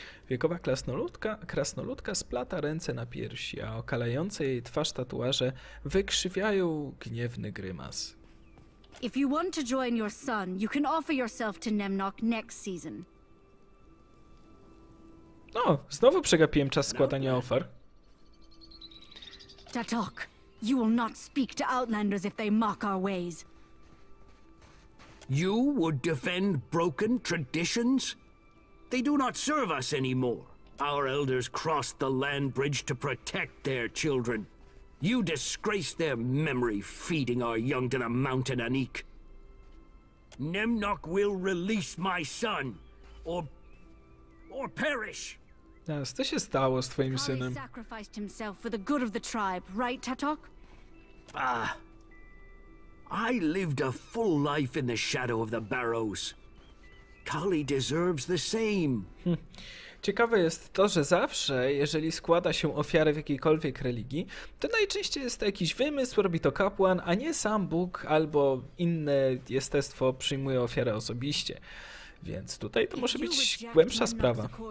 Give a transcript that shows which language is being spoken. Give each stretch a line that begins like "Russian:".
Polish: Wiekowa krasnoludka splata ręce na piersi, a okalające jej twarz tatuaże wykrzywiają gniewny grymas.
English: If you want to join your son, you can offer yourself to Nemnok next season.
Polish: No, znowu przegapiłem czas składania ofer.
English: Tatok, you will not speak to outlanders if they mock our ways. You would defend broken traditions? They do not serve us anymore. Our elders crossed the land bridge to protect their children. You disgrace their memory, feeding our young to the mountain Anik. Nemnok will release my son, or perish. Yes,
Polish: co się stało z twoim synem?
English: He sacrificed himself for the good of the tribe, right, Tatok? Ah, I lived a full life in the shadow of the barrows. Kali deserves the same.
Polish: Ciekawe jest to, że zawsze, jeżeli składa się ofiarę w jakiejkolwiek religii, to najczęściej jest to jakiś wymysł, robi to kapłan, a nie sam Bóg albo inne jestestwo przyjmuje ofiarę osobiście. Więc tutaj to może być głębsza sprawa.